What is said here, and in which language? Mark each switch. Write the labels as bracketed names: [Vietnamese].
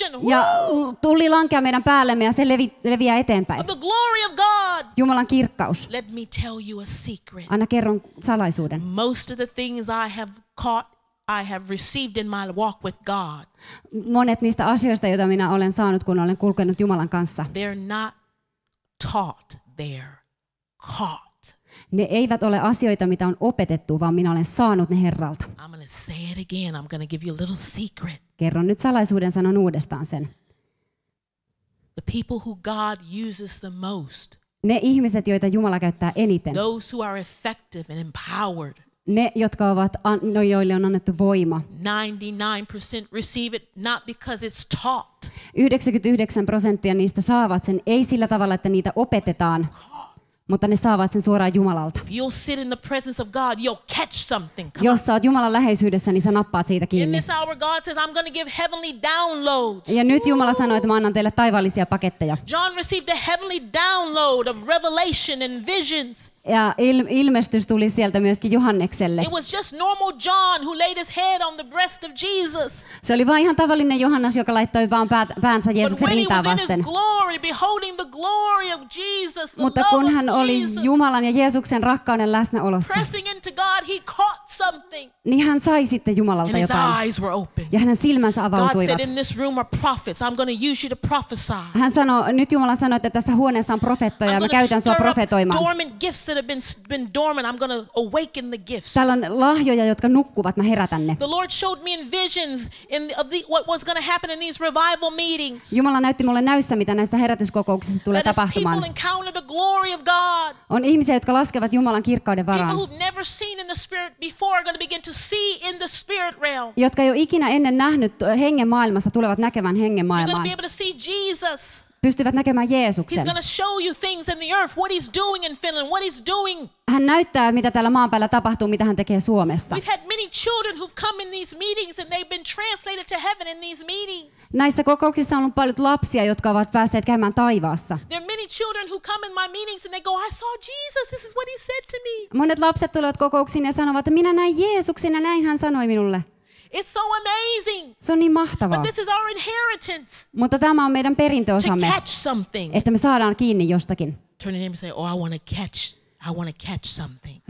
[Finnish] Ja tuli lankea meidän päällemme ja se leviää eteenpäin. Jumalan kirkkaus. [English] Let me tell you a secret. [Finnish] Anna kerron salaisuuden. [English] Most of the things I have received in my walk with God. [Finnish] Monet niistä asioista, joita minä olen saanut, kun olen kulkenut Jumalan kanssa. [English] They're not taught, they're caught. [Finnish] Ne eivät ole asioita, mitä on opetettu, vaan minä olen saanut ne Herralta. [English] I'm going to say it again. I'm going to give you a little secret. [Finnish] Kerron nyt salaisuuden, sanon uudestaan sen. [English] The people who God uses the most. [Finnish] Ne ihmiset, joita Jumala käyttää eniten. [English] Those who are effective and empowered. [Finnish] Ne, jotka ovat, joille on annettu voima. [English] 99% receive it not because it's taught. [Finnish] 99% niistä saavat sen ei sillä tavalla, että niitä opetetaan, mutta ne saavat sen suoraan Jumalalta. [English] You'll sit in the presence of God, you'll catch something. [Finnish] Jos sä oot Jumalan läheisyydessä, niin sä nappaat siitä kiinni. [English] In this hour God says, I'm going to give heavenly downloads. [Finnish] Ja nyt Jumala sanoi, että mä annan teille taivaallisia paketteja. [English] John received a heavenly download of revelation and visions. [Finnish] Ja ilmestys tuli sieltä myöskin Johannekselle. [English] It was just normal John who laid his head on the breast of Jesus. [Finnish] Se oli vaan ihan tavallinen Johannes, joka laittoi vaan päänsä Jeesuksen rintaan vasten. [English] Glory, beholding the glory of Jesus, the [Finnish] mutta kun hän oli Jumalan ja Jeesuksen rakkauden läsnäolossa. [English] Pressing into God, he caught something. something. [Finnish] Niin hän sai sitten Jumalalta and jotain. [English] His eyes were open. [Finnish] Ja hänen silmänsä avautuivat. [English] God said, in this room are prophets. I'm going to use you to prophesy. [Finnish] Hän sanoi, nyt Jumala sanoi, että tässä huoneessa on profeettoja, mä käytän sua profetoimaan. [English] Dormant gifts that have been dormant. I'm going to awaken the gifts. [Finnish] Täällä on lahjoja, jotka nukkuvat, mä herätän ne. [English] The Lord showed me in visions in the, of the, what was going to happen in these revival meetings. [Finnish] Jumala näytti mulle näyssä, mitä näissä herätyskokouksissa tulee tapahtumaan. [English] People encounter the glory of God. [Finnish] On ihmisiä, jotka laskevat Jumalan kirkkauden varaan. [English] People who've never seen in the spirit before are going to begin to see in the spirit realm. [Finnish] Jotka ei ole ikinä ennen nähnyt hengen maailmassa, tulevat näkevän hengen maailmaan. [English] You're going to be able to see Jesus. [Finnish] Pystyvät näkemään Jeesuksen. [English] He's going to show you things in the earth, what he's doing in Finland, what he's doing. [Finnish] Hän näyttää, mitä täällä maan päällä tapahtuu, mitä hän tekee Suomessa. [English] We've had many children who've come in these meetings and they've been translated to heaven in these meetings. [Finnish] Näissä kokouksissa on ollut paljon lapsia, jotka ovat päässeet käymään taivaassa. [English] There are many children who come in my meetings and they go, I saw Jesus, this is what he said to me. [Finnish] Monet lapset tulevat kokouksiin ja sanovat, että minä näin Jeesuksen ja näin hän sanoi minulle. [English] It's so amazing. [Finnish] Se on niin mahtavaa. [English] But this is our inheritance. [Finnish] Mutta tämä on meidän perintöosamme. [English] To catch something. [Finnish] Että me saadaan kiinni jostakin. [English] Turn to him and say, "Oh, I want to catch something."